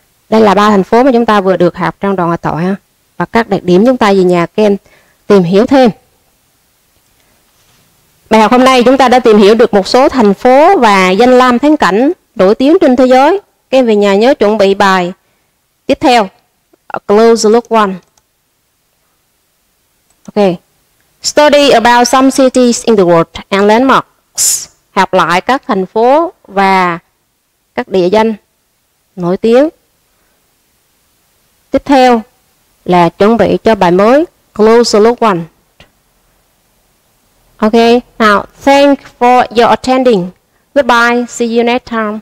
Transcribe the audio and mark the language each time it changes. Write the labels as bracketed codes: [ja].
[vi] Đây là ba thành phố mà chúng ta vừa được học trong đoạn hội thoại ha. Và các đặc điểm chúng ta về nhà các em tìm hiểu thêm. Bài học hôm nay chúng ta đã tìm hiểu được một số thành phố và danh lam thắng cảnh nổi tiếng trên thế giới. Các em về nhà nhớ chuẩn bị bài tiếp theo. [en] A close look one. Ok. Study about some cities in the world and landmarks. [vi] Học lại các thành phố và các địa danh nổi tiếng. Tiếp theo là chuẩn bị cho bài mới. [en] Close look one. Ok. Now, thank for your attending. Goodbye. See you next time.